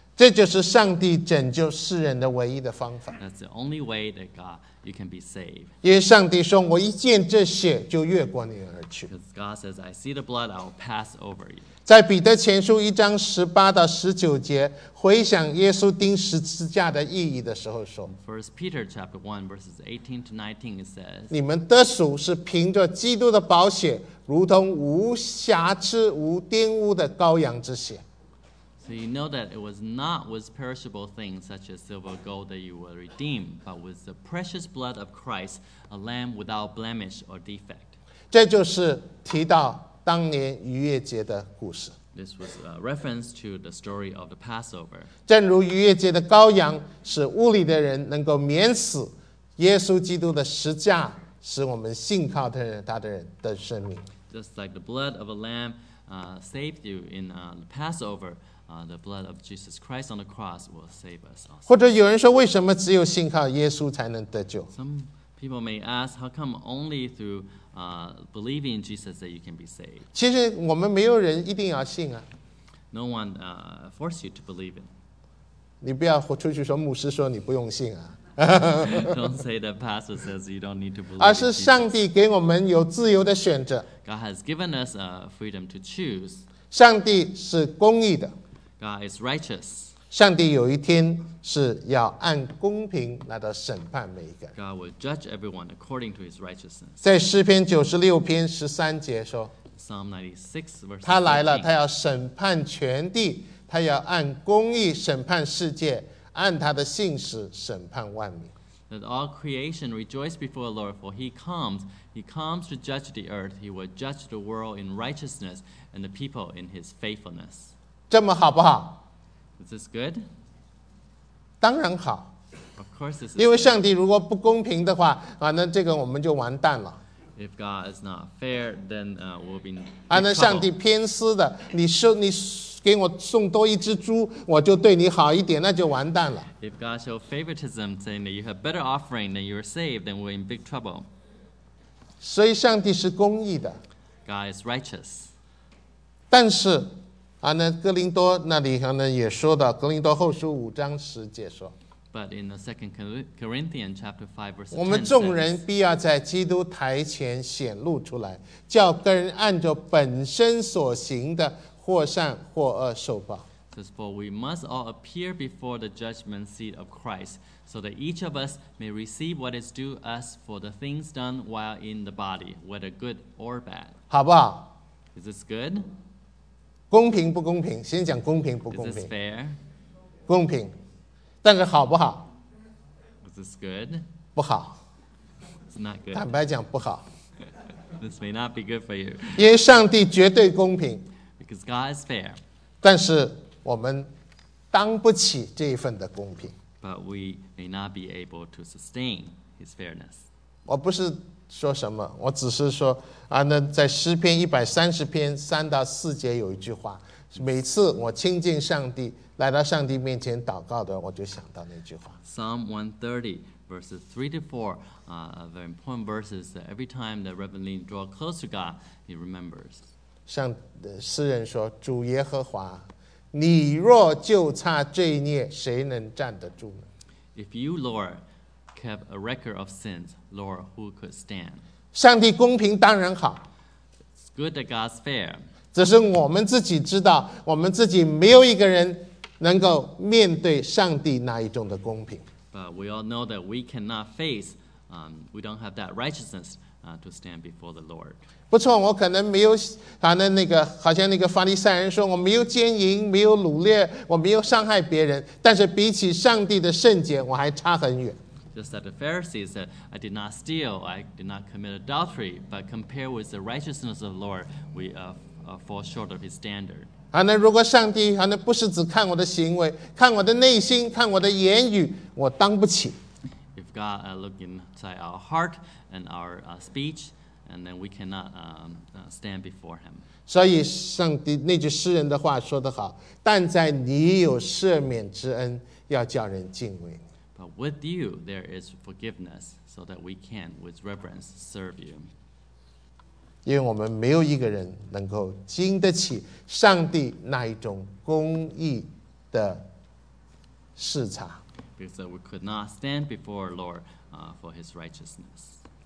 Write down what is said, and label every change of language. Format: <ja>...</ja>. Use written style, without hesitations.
<zh>这就是上帝拯救世人的唯一的方法。</zh> <en>That's the only way that God you can be saved.</en> <zh>因为上帝说，我一见这血就越过你而去。</zh> <en>Because God says, I see the blood, I will pass over you.</en> <zh>在彼得前书一章十八到十九节，回想耶稣钉十字架的意义的时候说</zh> <en>，First Peter chapter one verses 18 to 19 it says,</en> <zh>你们得赎是凭着基督的宝血，如同无瑕疵、无玷污的羔羊之血。</zh> <en>So you know that it was not with perishable things such as silver or gold that you were redeemed, but with the precious blood of Christ, a lamb without blemish or defect.</en> <zh>这就是提到当年逾越节的故事。</zh> <en>This was a reference to the story of the Passover.</en> <zh>正如逾越节的羔羊使物理的人能够免死，耶稣基督的十架使我们信靠他的人的生命。</zh> <en>Just like the blood of a lamb saved you in the Passover,the blood of Jesus Christ on the cross will save us.</en> <zh>或者有人说，为什么只有信靠耶稣才能得救？</zh> <en>Some people may ask, how come only through believing in Jesus that you can be saved?</en> <zh>其实我们没有人一定要信啊。</zh> <en>No one force you to believe it.</en> <zh>你不要出去说牧师说你不用信啊。</zh> <en>Don't say that pastor says you don't need to believe.</en> <zh>而是上帝给我们有自由的选择。</zh> <en>God has given us a freedom to choose.</en> <zh>上帝是公义的。</zh> <en>God is righteous.</en> <zh>上帝有一天是要按公平来到审判每一个人。</zh> <en>God will judge everyone according to His righteousness.</en> <zh>在诗篇九十六篇十三节说</zh> <en>，Psalm 96 verse 13.</en> <zh>他来了，他要审判全地，他要按公义审判世界，按他的信实审判万民。</zh> <en>Let all creation rejoice before the Lord, for He comes. He comes to judge the earth. He will judge the world in righteousness and the people in His faithfulness.</en> <zh>这么好不好</zh> <en>？Is this good?</en> <zh>当然好。</zh> <en>Of course, this is.</en> <zh>因为上帝如果不公平的话，啊，那这个我们就完蛋了。</zh> <en>If God is not fair, then we'll be.</en> <zh>啊，那上帝偏私的，你给我送多一只猪，我就对你好一点，那就完蛋了。</zh> <en>If God shows favoritism, saying that you have better offering, then you're saved, then we're in big trouble.</en> <zh>所以上帝是公义的。</zh> <en>God is righteous.</en> <zh>但是。啊，那哥林多那里可能也说到哥林多后书五章十节说</zh> <en>，But in the second Corinthians chapter five verse 10,</en> <zh>我们众人必要在基督台前显露出来，叫个人按着本身所行的或善或恶受报。</zh> <en>Says for we must all appear before the judgment seat of Christ, so that each of us may receive what is due us for the things done while in the body, whether good or bad.</en> <zh>好不好</zh> <en>？Is this good?</en> <zh>公平不公平？先讲公平不公平。</zh> <en>Is this fair?</en> <zh>公平，但是好不好</zh> <en>？Is this good?</en> <zh>不好。</zh> <en>It's not good.</en> <zh>坦白讲不好。</zh> <en>This may not be good for you.</en> <zh>因为上帝绝对公平。</zh> <en>Because God is fair.</en> <zh>但是我们当不起这一份的公平。</zh> <en>But we may not be able to sustain His fairness.</en> <zh>我不是。说什么？我只是说啊，那在诗篇一百三十篇三到四节有一句话，每次我亲近上帝，来到上帝面前祷告的，我就想到那句话。</zh> <en>Psalm 130, verses 3 to 4, are very important verses that every time the Reverend Lin draw close to God, he remembers.</en> <zh>像诗人说，主耶和华，你若就差罪孽，谁能站得住呢？</zh> <en>If you, Lord, kept a record of sins, Lord, who could stand?</en> <zh>上帝公平当然好。</zh> <en>It's good that God's fair.</en> <zh>只是我们自己知道，我们自己没有一个人能够面对上帝那一种的公平。</zh> <en>But we all know that we cannot face, we don't have that righteousness, to stand before the Lord.</en> <zh>不错，我可能没有，反正那个好像那个法利赛人说，我没有奸淫，没有掳掠，我没有伤害别人，但是比起上帝的圣洁，我还差很远。</zh> <en>Just that the Pharisees said, I did not steal, I did not commit adultery, but compared with the righteousness of the Lord, we fall short of his standard.</en> <zh>那如果上帝不是只看我的行为，看我的内心，看我的言语，我当不起。</zh> <en>If God looks inside our heart and our speech, and then we cannot stand before him.</en> <zh>所以上帝那句诗人的话说得好，但在你有赦免之恩，要叫人敬畏。</zh> <en>But with you, there is forgiveness so that we can, with reverence, serve you.</en> <zh>因为我们没有一个人能够经得起上帝那一种公义的视察。</zh> <en>Because we could not stand before the Lord for his righteousness.</en>